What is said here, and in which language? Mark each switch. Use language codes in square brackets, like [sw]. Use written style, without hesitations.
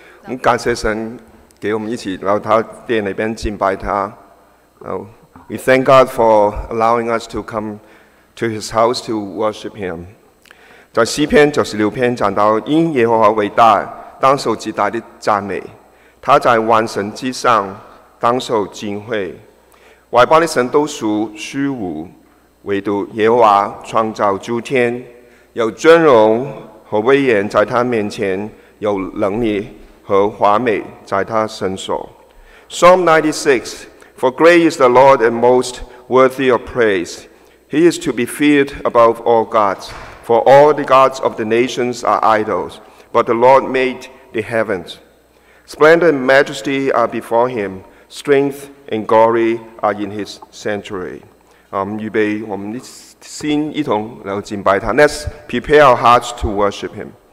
[zh] 我们感谢神给我们一起到他殿里边敬拜他。 [en] We thank God for allowing us to come to His house to worship Him。 [zh] 在诗篇九十六篇讲到，因耶和华伟大，当受极大的赞美。他在万神之上，当受敬畏。外邦的神都属虚无，唯独耶和华创造诸天，有尊荣和威严在他面前，有能力和华美在他身手。 [en] Psalm 96, For great is the Lord and most worthy of praise. He is to be feared above all gods, for all the gods of the nations are idols, but the Lord made the heavens. Splendor and majesty are before him, strength and glory are in his sanctuary. [zh] 预备我们心一同来敬拜他。 [en] Let's prepare our hearts to worship him.